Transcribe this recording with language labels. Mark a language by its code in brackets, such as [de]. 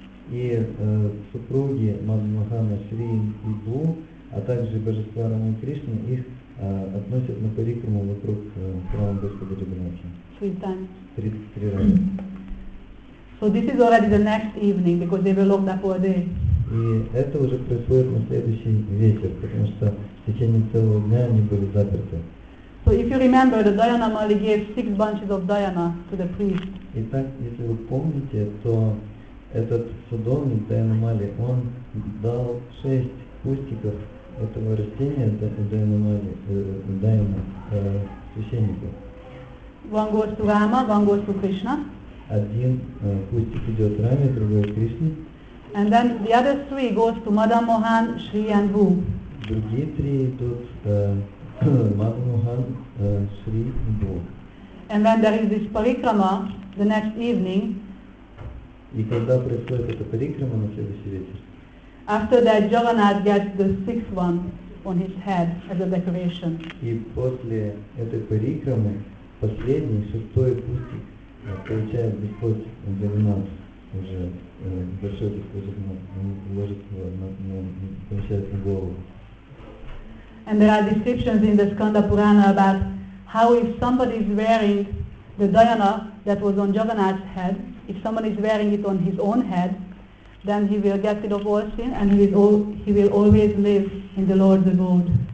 [ru] И супруги Madan Mohan, Shri Anbu, а также божества Рамы и Кришны, их относят на парикраму вокруг храма Господа Джаганнатха. 33 раза. [en] So this is already the next evening, because they were locked up all day. [ru] И это уже происходит на следующий вечер, потому что в течение целого дня они были заперты. [en] So if you remember, the Dhyana Mali gave 6 bunches of Dhyana to the priest. [ru] Итак, если вы помните, то этот садовник Дхьяна Мали, он дал 6 кустиков этого растения, этого Дхьяна Мали, Дхьяна, священнику. [en] One goes to Rama, one goes to Krishna. [ru] Один кустик идет Раме, другой Кришне. [en] And then the other 3 goes to Madan Mohan, Shri and Bhu. [ru] Другие 3 идут Madan Mohan, Shri and Bhu. [en] And then there is this parikrama the next evening. [ru] И когда происходит эта парикрама на следующий вечер? [en] After that, Jagannath gets the 6th one on his head as a decoration. [ru] И после этой парикрамы последний, 6-й кустик получает Господь Джаганат уже большой Господь вложит его на голову. [en] And there are descriptions in the Skanda Purana about how if somebody is wearing the Dhyana that was on Jagannath's head, if somebody is wearing it on his own head, then he will get rid of all sin and he will always live in the Lord's abode.